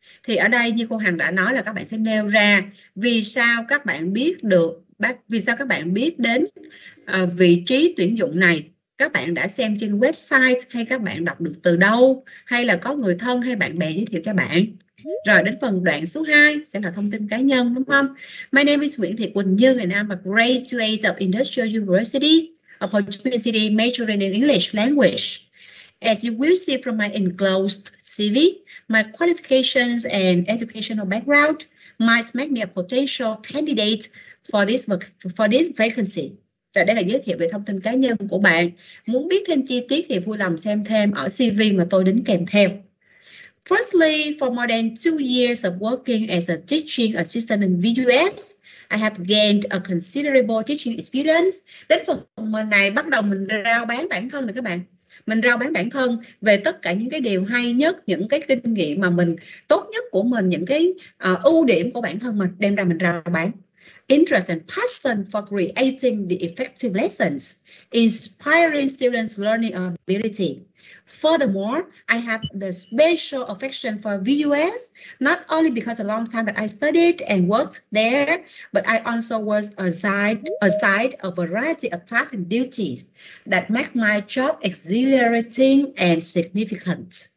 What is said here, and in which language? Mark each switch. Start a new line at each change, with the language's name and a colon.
Vietnamese: Thì ở đây như cô Hằng đã nói là các bạn sẽ nêu ra vì sao các bạn biết được, vì sao các bạn biết đến vị trí tuyển dụng này. Các bạn đã xem trên website hay các bạn đọc được từ đâu, hay là có người thân hay bạn bè giới thiệu cho bạn. Rồi đến phần đoạn số 2 sẽ là thông tin cá nhân, đúng không?
English: My name is Nguyễn Thị Quỳnh Như and I'm a graduate of Industrial University, Opportunity, majoring in English language. As you will see from my enclosed CV, my qualifications and educational background might make me a potential candidate for this vacancy.
Vietnamese: Rồi đây là giới thiệu về thông tin cá nhân của bạn. Muốn biết thêm chi tiết thì vui lòng xem thêm ở CV mà tôi đính kèm theo.
English: Firstly, for more than 2 years of working as a teaching assistant in the US, I have gained a considerable teaching experience.
Vietnamese: Đến phần này bắt đầu mình rao bán bản thân rồi các bạn. Mình rao bán bản thân về tất cả những cái điều hay nhất, những cái kinh nghiệm mà mình tốt nhất của mình, những cái ưu điểm của bản thân mình đem ra mình rao bán.
English: Interest and passion for creating the effective lessons, inspiring students' learning ability. Furthermore, I have the special affection for VUS, not only because a long time that I studied and worked there, but I also was assigned a variety of tasks and duties that make my job exhilarating and significant.